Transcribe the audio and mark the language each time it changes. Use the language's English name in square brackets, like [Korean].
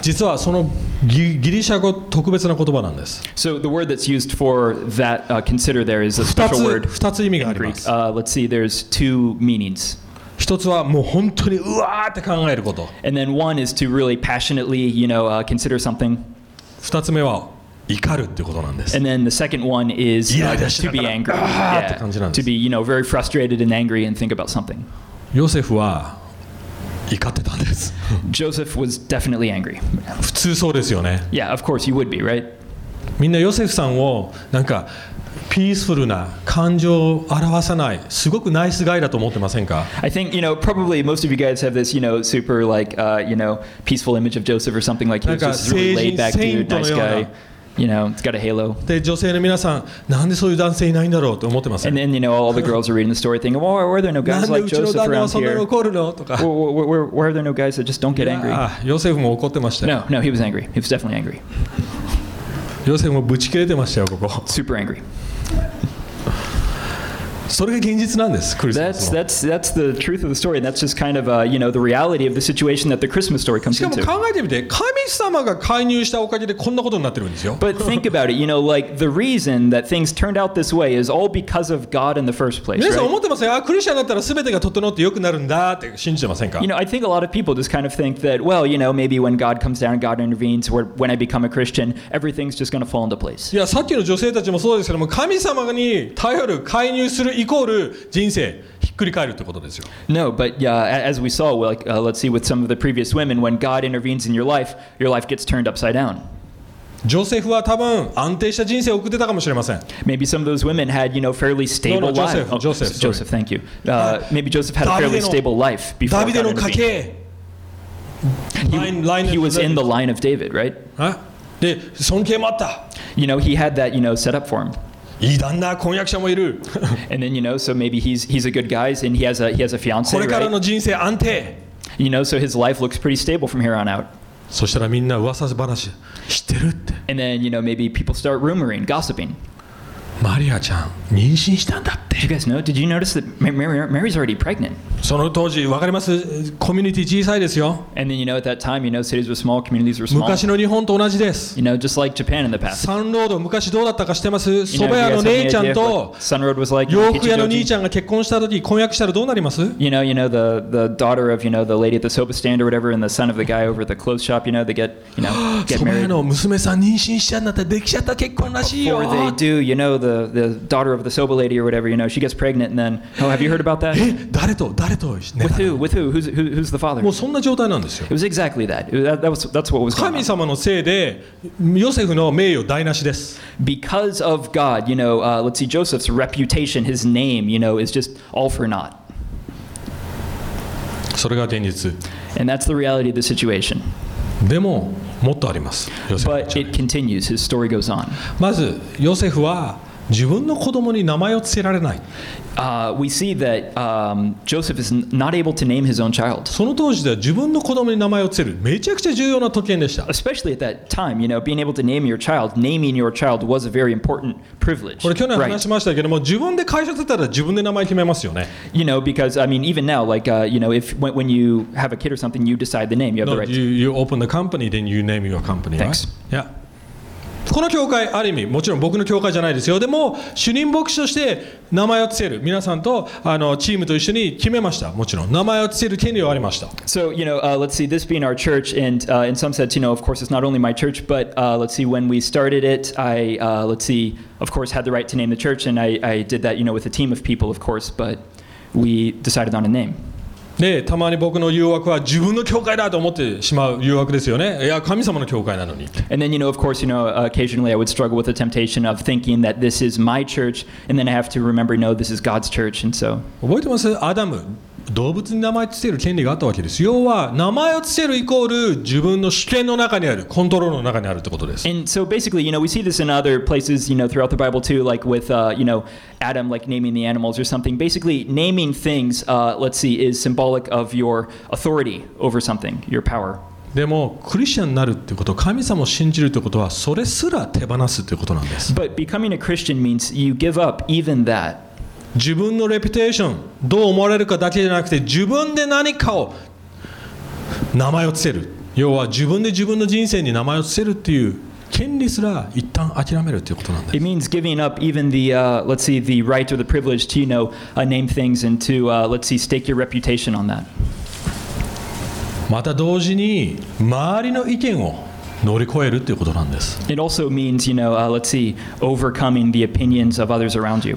[Japanese] 実はそのギリシャ語特別な言葉なんです。 [English] So the word that's used for that consider there is a special word. [Japanese] 2つ意味があります。 [English] Let's see, there's two meanings. [Japanese] 一つはもう本当にうわーって考えること。 [English] And then one is to really passionately, you know, consider something. [Japanese] 二つ目は怒るってことなんです。 [English] And then the second one is to be angry. To be, you know, very frustrated and angry and think about something. [Japanese] ヨセフは怒ってたんです。 [English] Joseph was definitely angry. [Japanese] 普通そうですよね。 [English] Yeah, of course you would be, right? [Japanese] みんなヨセフさんをなんかピースフルな感情を表さない、すごくナイスガイだと思ってませんか? [English] I think, you know, probably most of you guys have this, you know, super like, you know, peaceful image of Joseph or something like that. He's just really laid back dude, nice guy. You know, it's got a halo. [Japanese] で、女性の皆さん、なんでそういう男性いないんだろうと思ってません? [English] And then, you know, all the girls are reading the story thinking, why are there no guys like Joseph around here? [Japanese] なんでうちの旦那はそんなに怒るの? とか。 [English] Why are there no guys that just don't get angry? [Japanese] ヨセフも怒ってました [English] よ。No, he was angry. He was definitely angry. [Japanese] ヨセフもぶち切れてましたよ、ここ。 [English] Super angry. [Japanese] それが現実なんです、クリスマスの。 [English] That's the truth of the story, and that's just kind of you know, the reality of the situation that the Christmas story comes into. [Japanese] しかも考えてみて、神様が介入したおかげでこんなことになってるんですよ。 [English] But think about it, you know, like the reason that things turned out this way is all because of God in the first place. [Japanese] 皆さん思ってません、クリスチャンだったら全てが整って良くなるんだって信じてませんか? [English] You know, I think a lot of people just kind of think that, well, you know, maybe when God comes down, God intervenes, or when I become a Christian, everything's just going to fall into place. [Japanese] いや、さっきの女性たちもそうですけども、神様に頼る、介入する。イコール人生ひっくり返るってことですよ。 [English] No, but as we saw, let's see with some of the previous women, when God intervenes in your life gets turned upside down. [Japanese] ジョセフは多分安定した人生を送ってたかもしれません。 [English] Maybe some of those women had, you know, fairly stable life. Joseph, thank you. Maybe Joseph had a fairly stable life before. [Japanese] ダビデの家系。 [English] He was in the line of David, right? [Japanese] で、尊敬もあった。 [English] You know, he had that, you know, set up for him. [Japanese] いい旦那、婚約者もいる。 [English] And then, you know, so maybe he's a good guy and he has a fiance, [Japanese] これからの人生安定。 [English] You know, so his life looks pretty stable from here on out. [Japanese] そしたらみんな噂話知ってるって。 [English] And then, you know, maybe people start rumoring, gossiping. [Japanese] マリアちゃん、妊娠したんだって。 [English] You guys know? Did you notice that Mary's already pregnant? [Japanese] その当時、わかります? コミュニティ小さいですよ。 [English] And then, you know, at that time, you know, cities were small, communities were small. [Japanese] 昔の日本と同じです。 [English] You know, just like Japan in the past. [Japanese] サンロード、昔どうだったか知ってます? 蕎麦屋の姉ちゃんと、サンロードは、洋服屋の兄ちゃんが結婚した時、婚約したらどうなります? [English] You know, the daughter of, you know, the lady at the soap stand or whatever, and the son of the guy over at the clothes shop, you know, they get, you know, get married. [Japanese] 蕎麦屋の娘さん妊娠しちゃったってできちゃった結婚らしいよ。 [English] Or they do, you know, the daughter of the soba lady or whatever, you know, she gets pregnant and then, oh, have you heard about that? [Japanese] 誰と? [English] With who? With who? Who's the father? [Japanese] もうそんな状態なんですよ。 [English] It was exactly that. That's what was going on. [Japanese] 神様のせいでヨセフの名誉台無しです。 [English] Because of God, you know, let's see, Joseph's reputation, his name, you know, is just all for naught. [Japanese] それが現実。 [English] And that's the reality of the situation. [Japanese] でも、もっとあります。ヨセフ。 [English] But it continues. His story goes on. [Japanese] まず、ヨセフは自分の子供に名前を付けられない。 [English] We see that Joseph is not able to name his own child. [Japanese] その当時では自分の子供に名前を付けるめちゃくちゃ重要な特権でした。 [English] Especially at that time, you know, being able to name your child, naming your child was a very important privilege. [Japanese] これ去年話しましたけども、自分で会社立てたら自分で名前決めますよね。 [English] You know, because I mean, even now, like you know, if when you have a kid or something, you decide the name, you have the right. You open the company, then you name your company. Thanks. Yeah. [Japanese] この教会ある意味もちろん僕の教会じゃないですよ。でも主任牧師として名前を付ける皆さんとチームと一緒に決めました。もちろん名前を付ける権利はありました。 [English] So you know, let's see, this being our church, and in some sense, you know, of course, it's not only my church, but let's see, when we started it, I let's see, of course, had the right to name the church, and I did that, you know, with a team of people, of course, but we decided on a name. [Japanese] でたまに僕の誘惑は自分の教会だと思ってしまう誘惑ですよね。いや神様の教会なのに。 [English] And then you know, of course, you know, occasionally I would struggle with the temptation of thinking that this is my church, and then I have to remember, no, this is God's church, and so. [Japanese] 覚えてます？アダム、動物に名前つける権利があったわけです。要は名前をつけるイコール自分の主権の中にある、コントロールの中にあるってことです。 [English] And so basically, you know, we see this in other places, you know, throughout the Bible too, like with, you know. Adam, like naming the animals or something. Basically, naming things, let's see, is symbolic of your authority over something, your power. [Japanese] でもクリスチャンになるってこと、神様を信じるってことは、それすら手放すってことなんです。 [English] But becoming a Christian means you give up even that. [Japanese] 自分のレピュテーション、どう思われるかだけじゃなくて、自分で何かを名前をつける。要は自分で自分の人生に名前をつけるっていう。権利すら一旦諦めるということなんです。 [English] It means giving up even the, let's see, the right or the privilege to, you know, name things and to, let's see, stake your reputation on that. [Japanese] また同時に周りの意見を乗り越えるということなんです。 [English] It also means, you know, let's see, overcoming the opinions of others around you.